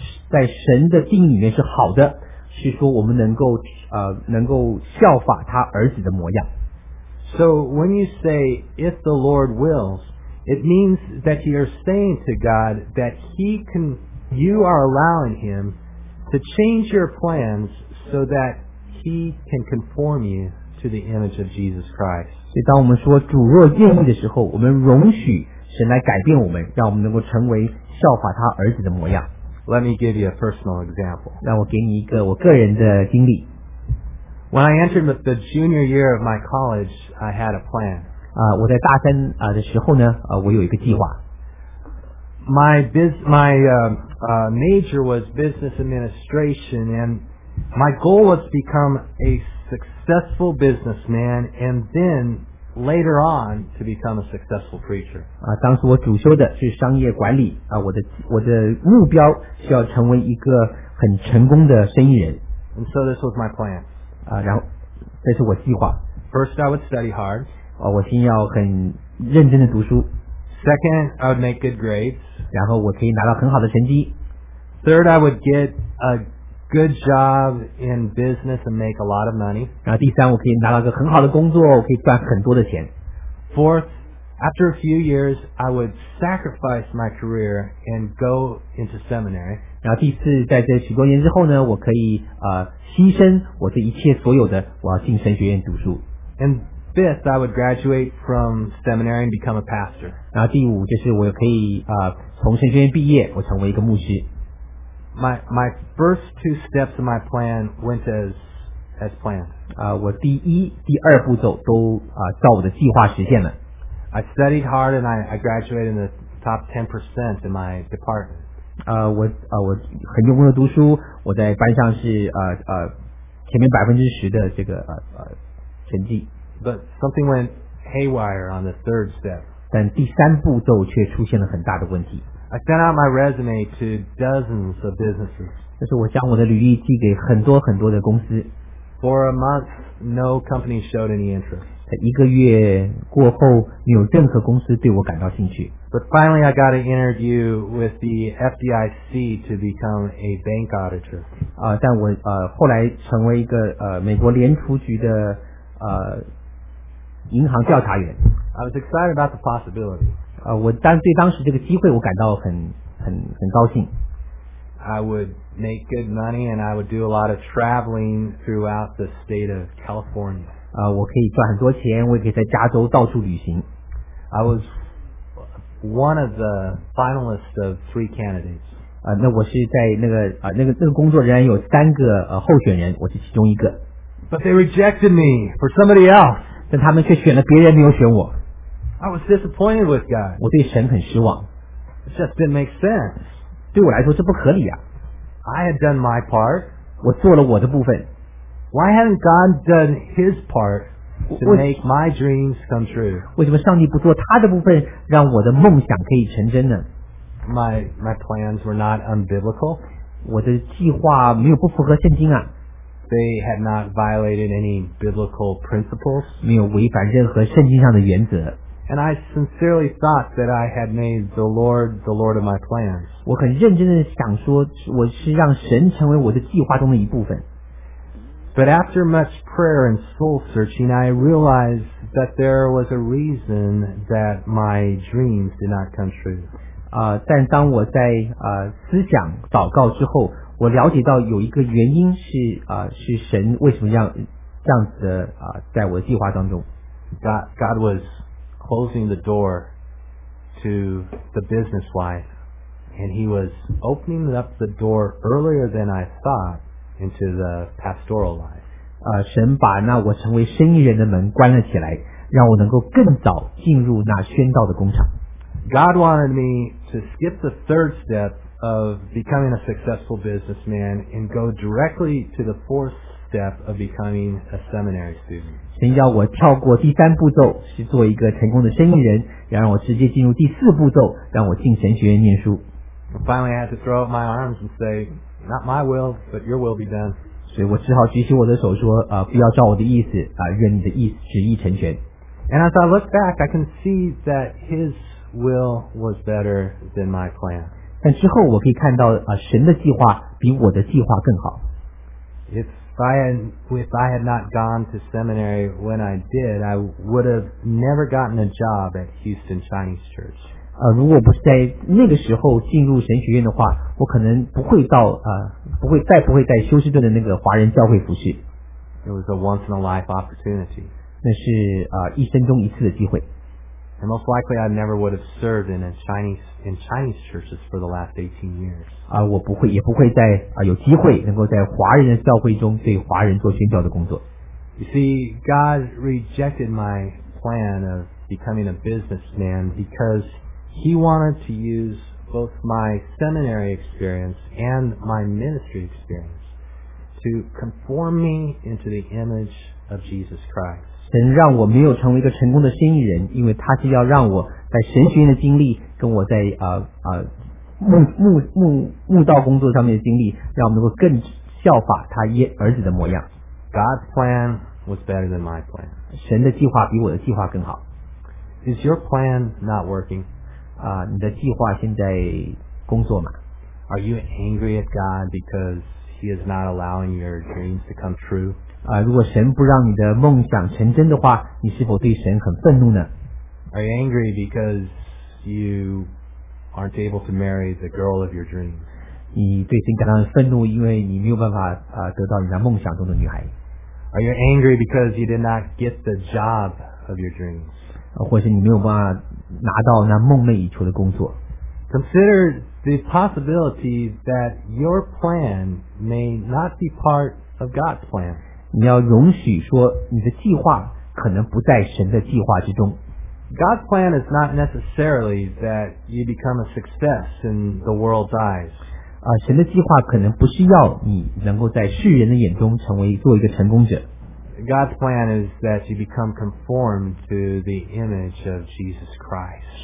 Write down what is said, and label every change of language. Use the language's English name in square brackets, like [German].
[Chinese] 在神的定义里面是好的，是说我们能够效法他儿子的模样。 [English] So when you say, if the Lord wills, it means that you're saying to God that you are allowing him to change your plans so that he can conform you to the image of Jesus Christ. [Chinese] 所以当我们说主若愿意的时候，我们容许神来改变我们，让我们能够成为效法他儿子的模样。 [English] Let me give you a personal example. [Chinese] 让我给你一个我个人的经历。 [English] When I entered the junior year of my college, I had a plan. [Chinese] 我在大三的时候呢，我有一个计划。 [English] My major was business administration, and my goal was to become a successful businessman and then later on to become a successful preacher. [Chinese] 啊，当时我主修的是商业管理啊，我的目标是要成为一个很成功的生意人。 [English] And so this was my plan. [Chinese] 啊，然后这是我计划。 [English] First, I would study hard. [Chinese] 啊，我先要很认真的读书。 [English] Second, I would make good grades. [Chinese] 然后我可以拿到很好的成绩。 [English] Third, I would get a good job in business and make a lot of money. [Chinese] 然后第三，我可以拿到一个很好的工作，我可以赚很多的钱。 [English] Fourth, after a few years, I would sacrifice my career and go into seminary. [Chinese] 然后第四，在这许多年之后呢，我可以牺牲我这一切所有的，我要进神学院读书。 [English] And fifth, I would graduate from seminary and become a pastor. [Chinese] 然后第五，就是我可以从神学院毕业，我成为一个牧师。 [English] My first two steps of my plan went as planned. [Chinese] 我第一、第二步骤都照我的计划实现了。 [English] I studied hard and I graduated in the top 10% in my department. [Chinese] 我很用功的读书，我在班上是前面10%的这个成绩。 [English] But something went haywire on the third step. [Chinese] 但第三步骤却出现了很大的问题。 [English] I sent out my resume to dozens of businesses. [Chinese] 就是我将我的履历寄给很多很多的公司。 [English] For a month, no company showed any interest. [Chinese] 在一个月过后，没有任何公司对我感到兴趣。 [English] But finally, I got an interview with the FDIC to become a bank auditor. [Chinese] 但我后来成为一个美国联储局的银行调查员。 [English] I was excited about the possibility. [Chinese] 对当时这个机会我感到很高兴。 [English] I would make good money and I would do a lot of traveling throughout the state of California. [Chinese] 我可以赚很多钱，我也可以在加州到处旅行。 [English] I was one of the finalists of three candidates. [Chinese] 那我是在那个工作仍然有三个候选人，我是其中一个。 [English] But they rejected me for somebody else. [Chinese] 但他们却选了别人，没有选我。 [English] I was disappointed with God. [Chinese] 我对神很失望。 [English] It just didn't make sense. [Chinese] 对我来说这不合理啊。 [English] I had done my part. [Chinese] 我做了我的部分。 [English] Why hadn't God done his part to make my dreams come true? [Chinese] 为什么上帝不做他的部分让我的梦想可以成真呢？ [English] My plans were not unbiblical. [Chinese] 我的计划没有不符合圣经啊。 [English] They had not violated any biblical principles. [Chinese] 没有违反任何圣经上的原则。 [English] And I sincerely thought that I had made the Lord of my plans. [Chinese] 我很认真地想说我是让神成为我的计划中的一部分。 [English] But after much prayer and soul searching, I realized that there was a reason that my dreams did not come true. [Chinese] 但当我在思想祷告之后，我了解到有一个原因是神为什么让这样子的在我的计划当中。 [English] God was... closing the door to the business life, and he was opening up the door earlier than I thought into the pastoral life. [Chinese] 神把那我成为生意人的门关了起来，让我能够更早进入那宣道的工厂。 [English] God wanted me to skip the third step of becoming a successful businessman and go directly to the fourth step of becoming a seminary student. [Chinese] 神要我跳过第三步骤，是做一个成功的生意人，然后让我直接进入第四步骤，让我进神学院念书。 [English] Finally, I had to throw up my arms and say, "Not my will, but your will be done." [Chinese] 所以我只好举起我的手说，不要照我的意思，愿你的意思旨意成全。 [English] And as I look back, I can see that His will was better than my plan. [Chinese] 但之后我可以看到，神的计划比我的计划更好。 [English] If I had not gone to seminary when I did, I would have never gotten a job at Houston Chinese Church. [Chinese] 如果不是在那个时候进入神学院的话，我可能不会到不会再不会在休斯顿的那个华人教会服事。 [English] It was a once in a life opportunity. [Chinese] 那是一生中一次的机会。 [English] And most likely, I never would have served in Chinese churches for the last 18 years. [Chinese] 我不会，也不会在有机会能够在华人的教会中对华人做宣教的工作。 [English] You see, God rejected my plan of becoming a businessman because He wanted to use both my seminary experience and my ministry experience to conform me into the image of Jesus Christ. [Chinese] 神让我没有成为一个成功的生意人，因为他是要让我在神学院的经历跟我在墓道工作上面的经历，让我们能够更效法他儿子的模样。 [English] God's plan was better than my plan. [Chinese] 神的计划比我的计划更好。 [English] Is your plan not working? [Chinese] 你的计划现在工作吗？ [English] Are you angry at God because he is not allowing your dreams to come true? [Chinese] 如果神不让你的梦想成真的话，你是否对神很愤怒呢？ [English] Are you angry because you aren't able to marry the girl of your dreams? [Chinese] 你对神感到愤怒，因为你没有办法得到你的梦想中的女孩。 [English] Are you angry because you did not get the job of your dreams? [Chinese] 或是你没有办法拿到那梦寐以求的工作。 [English] Consider the possibility that your plan may not be part of God's plan. [Chinese] 你要容许说你的计划可能不在神的计划之中。 [English] God's plan is not necessarily that you become a success in the world's eyes. [Chinese] 神的计划可能不是要你能够在世人的眼中成为做一个成功者。 [English] God's plan is that you become conformed to the image of Jesus Christ.